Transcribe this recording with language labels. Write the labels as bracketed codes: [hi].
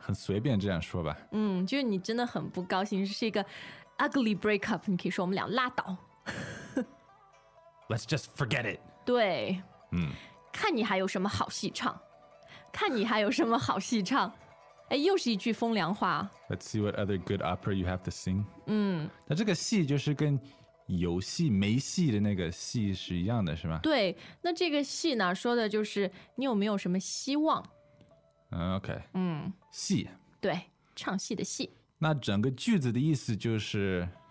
[zh] 很随便这样说吧就是你真的很不高兴是一个 [en] ugly breakup [zh] 你可以说我们俩拉倒 [en] Let's just forget it [zh] 对看你还有什么好戏唱看你还有什么好戏唱哎，又是一句风凉话 [en] Let's see what other good opera you have to sing [zh] 那这个戏就是跟游戏没戏的那个戏是一样的是吗对那这个戏呢说的就是你有没有什么希望 OK 戏对唱戏的戏那整个句子的意思就是